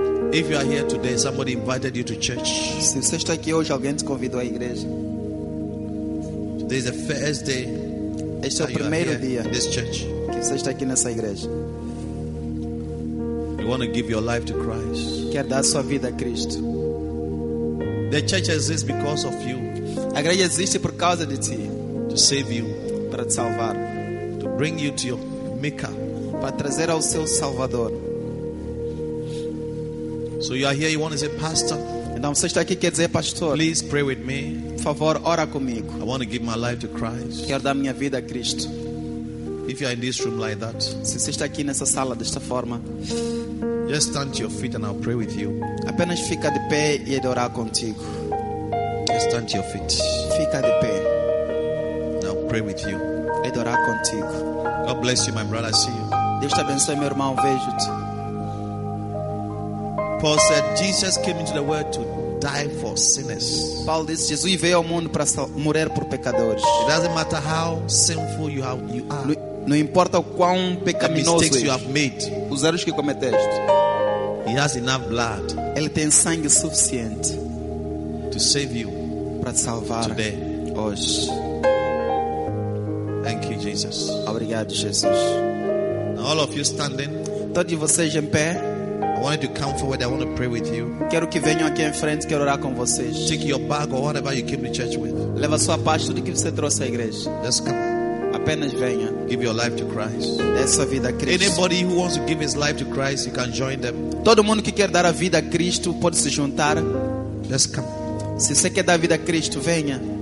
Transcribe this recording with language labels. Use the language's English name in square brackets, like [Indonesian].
[English] If you are here today, somebody invited you to church. [Portuguese] Se você está aqui hoje, alguém te convidou à igreja. [English] Today is the first day. [Portuguese] Este é o primeiro dia. [English] This church. [Portuguese] Que você está aqui nessa igreja. [English] You want to give your life to Christ. [Portuguese] Quer dar sua vida a Cristo. [English] The church exists because of you. [Portuguese] A igreja existe por causa de ti. [English] Save you, [Portuguese] para te salvar, [English] to bring you to your Maker, [Portuguese] para trazer ao seu Salvador. [English] So you are here, you want to say, Pastor? [Portuguese] Então você está aqui, quer dizer, Pastor? [English] Please pray with me. [Portuguese] Por favor, ora comigo. [English] I want to give my life to Christ. [Portuguese] Quero dar minha vida a Cristo. [English] If you are in this room like that, [Portuguese] se você está aqui nessa sala desta forma, [English] just stand to your feet and I'll pray with you. [Portuguese] Apenas fica de pé e adorar contigo. [English] Just stand to your feet. [Portuguese] Fica de pé. [English] Pray with you. [Portuguese] Adorar contigo. [English] God bless you, my brother. I see you. [Portuguese] Deus te abençoe, meu irmão. Vejo-te. [English] Paul said, Jesus came into the world to die for sinners. [Portuguese] Paulo disse, Jesus veio ao mundo para morrer por pecadores. [English] It doesn't matter how sinful you are. [Portuguese] Não importa o quão pecaminoso. [English] The mistakes you have made. [Portuguese] Os erros que cometeste. [English] He has enough blood. [Portuguese] Ele tem sangue suficiente. [English] To save you. [Portuguese] Para te salvar. [English] Today. [Portuguese] Hoje. [English] Thank you, Jesus. [Portuguese] Obrigado, Jesus. [English] All of you standing. [Portuguese] Todos vocês em pé. [English] I want you to come forward. I want to pray with you. [Portuguese] Quero que venham aqui em frente. Quero orar com vocês. [English] Take your bag or whatever you came to church with. [Portuguese] Leva sua parte, tudo que você trouxe à igreja. [English] Just come. [Portuguese] apenas venha. [English] Give your life to Christ. [Portuguese] Dê sua vida a Cristo. [English] Anybody who wants to give his life to Christ, you can join them. [Portuguese] Todo mundo que quer dar a vida a Cristo pode se juntar. [English] Just come. [Portuguese] Se você quer dar a vida a Cristo, venha.